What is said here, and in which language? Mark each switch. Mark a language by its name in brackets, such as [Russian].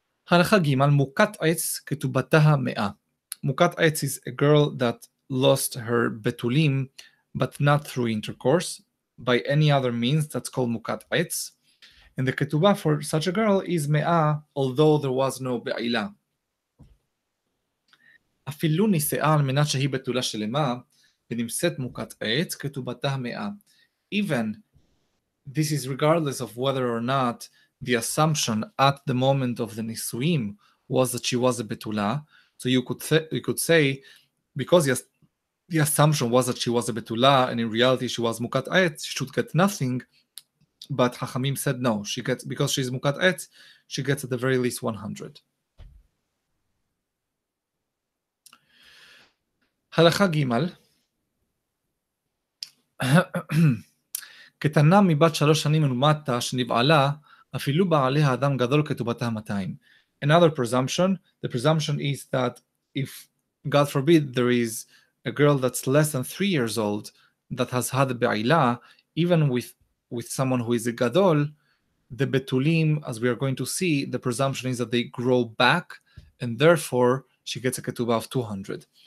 [Hebrew] Halacha gimal, mukat etz ketubataha me'a. [English] Mukat etz is a girl that lost her betulim, but not through intercourse, by any other means, that's called mukat etz. And the ketubah for such a girl is me'a, although there was no be'ila. [Hebrew] אפילו נישאה על מנת שהיא בתולה שלמה, ונמצאת מוקת עץ, כתובתה מאה. [English] Even, this is regardless of whether or not the assumption at the moment of the Nisuim was that she was a betula, so you could say, because the assumption was that she was a betula, and in reality she was מוקת עץ, she should get nothing, but Hachamim said no, because she is מוקת עץ, she gets at the very least 100. [Hebrew] הלכה גימל, קטנה מבת שלוש שנים ומטה שנבעלה, אפילו בעליה אדם גדול כתובתה 200. [English] Another presumption, the presumption is that if, God forbid, there is a girl that's less than 3 years old that has had a ba'ila, even with someone who is a gadol, the betulim, as we are going to see, the presumption is that they grow back, and therefore she gets a ketubah of 200.